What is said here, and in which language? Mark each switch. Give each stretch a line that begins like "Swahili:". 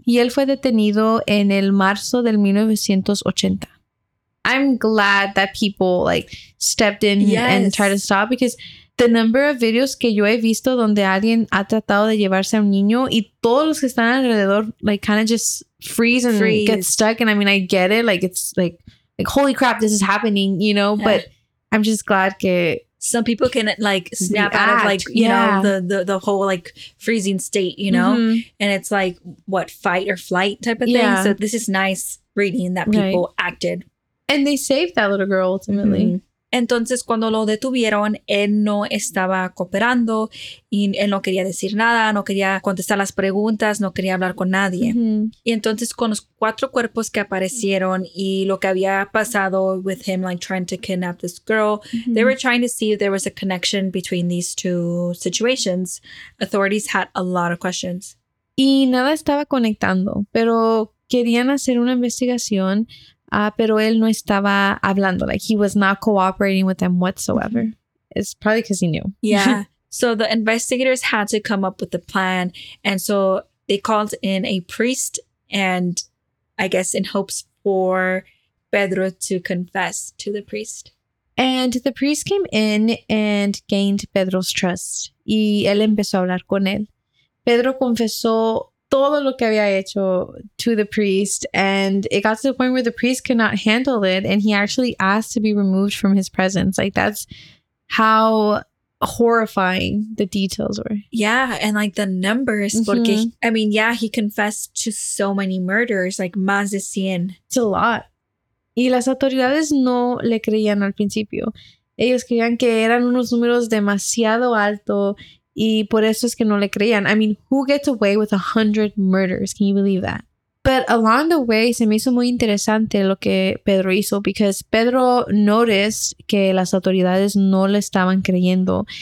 Spanish: Y él fue detenido en el marzo del 1980.
English: I'm glad that people like stepped in and tried to stop, because the number of videos
Spanish: que yo he visto donde alguien ha tratado de llevarse a un niño y todos los que están alrededor
English: like kind of just freeze. Get stuck. And I mean, I get it. Like, it's like holy crap, this is happening, you know, but I'm just glad
Spanish: que
English: some people can like snap out of like, you know, the whole like freezing state, you know, and it's like what, fight or flight type of thing. So this is nice reading that people acted. And they saved that little girl ultimately. Mm-hmm.
Spanish: Entonces, cuando lo detuvieron, él no estaba cooperando y él no quería decir nada, no quería contestar las preguntas, no quería hablar con nadie. Mm-hmm. Y entonces, con los cuatro cuerpos que aparecieron y lo que había pasado
English: with him, like, trying to kidnap this girl, they were trying to see if there was a connection between these two situations. Authorities had a lot of questions.
Spanish: Y nada estaba conectando, pero querían hacer una investigación. Pero él no estaba hablando.
English: Like, he was not cooperating with them whatsoever. It's probably because he knew. Yeah. So the investigators had to come up with a plan. And so they called in a priest and I guess in hopes for Pedro to confess to the priest. And the priest came in and gained Pedro's trust.
Spanish: Y él empezó a hablar con él. Pedro confesó todo lo que había hecho
English: to the priest, and it got to the point where the priest could not handle it, and he actually asked to be removed from his presence. Like, that's how horrifying the details were. Yeah, and like the numbers,
Spanish: porque,
English: I mean, yeah, he confessed to so many murders, like
Spanish: más de 100.
English: It's a lot.
Spanish: Y las autoridades no le creían al principio. Ellos creían que eran unos números demasiado alto. Y por eso es que no le creían.
English: I mean, who gets away with 100 murders? Can you believe that? But along the way,
Spanish: se me hizo muy interesante lo que Pedro hizo,
English: because Pedro noticed
Spanish: que las autoridades no le estaban creyendo.